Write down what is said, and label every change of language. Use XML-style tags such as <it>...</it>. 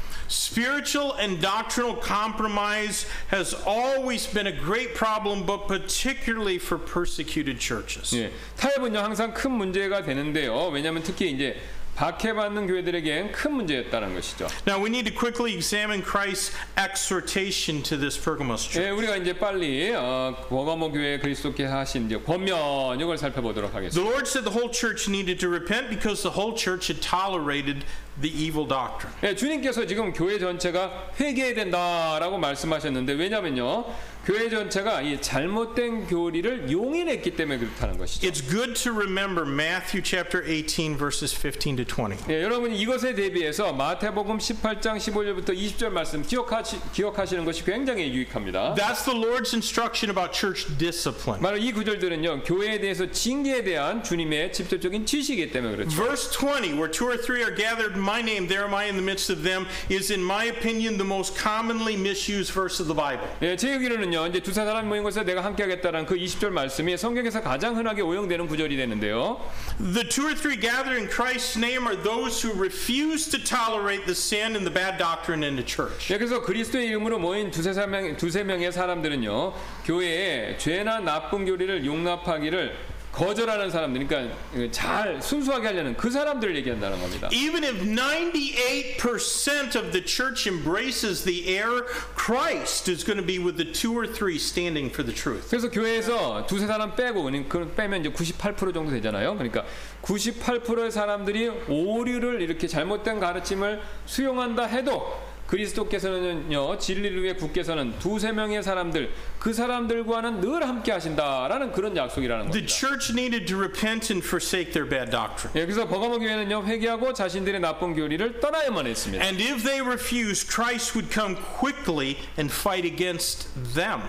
<en>Spiritual and doctrinal compromise has always been a great problem, but particularly for persecuted churches.</en> <ko>예, 타협은요 항상 큰 문제가 되는데요. 왜냐하면 특히 이제 박해받는 교회들에게는 큰 문제였다는 것이죠.</ko> <en>Now we need to quickly examine Christ's exhortation to this Pergamos church.</en> <ko>예, 우리가 이제 빨리 버가모 교회 그리스도께 하신 이제 권면 이걸 살펴보도록 하겠습니다.</ko> <en>The Lord said the whole church needed to repent because the whole church had tolerated the evil doctrine.</en> <ko>예, 주님께서 지금 교회 전체가 회개해야 된다라고 말씀하셨는데 왜냐면요. 교회 전체가 이 잘못된 교리를 용인했기 때문에 그렇다는 것이죠.</ko> <en>It's good to remember Matthew chapter 18 verses 15 to 20.</en> <ko>예, 여러분 이것에 대비해서 마태복음 18장 15절부터 20절 말씀 기억하시는 것이 굉장히 유익합니다.</ko> <en>That's the Lord's instruction about church discipline.</en> <ko>바로 이 구절들은요. 교회에 대해서 징계에 대한 주님의 직접적인 지시이기 때문에 그렇죠.</ko> <en>Verse 20 where two or three are gathered my name there am I in the midst of them is in my opinion the most commonly misused verse of the Bible.</en> <ko>예, 제 의견으로는요. 이제 두세 사람 모인 곳에 내가 함께 하겠다라는 그 20절 말씀이 성경에서 가장 흔하게 오용되는 구절이 되는데요.</ko> <en>The two or three gathered in Christ's name are those who refuse to tolerate the sin and the bad doctrine in the church.</en> <ko>예, 그래서 그리스도의 이름으로 모인 두세 명의 사람들은요. 교회에 죄나 나쁜 교리를 용납하기를 거절하는 사람들, 그러니까 잘 순수하게 하려는 그 사람들을 얘기한다는 겁니다.</ko> <en>Even if 98% of the church embraces the error, Christ is going to be with the two or three standing for the truth.</en> <ko>그래서 교회에서 두세 사람 빼고 빼면 이제 98% 정도 되잖아요. 그러니까 98%의 사람들이 오류를 이렇게 잘못된 가르침을 수용한다 해도 그리스도께서는요 진리를 위해 국께서는 두세 명의 사람들 그 사람들과는 늘 함께 하신다라는 그런 약속이라는 겁니다.</ko> <en>The church needed to repent and forsake their bad doctrine.</en> <ko>예, 그래서 버가모 교회는요 회개하고 자신들의 나쁜 교리를 떠나야만 했습니다.</ko> <en>And if they refused, Christ would come quickly and fight against them.</en>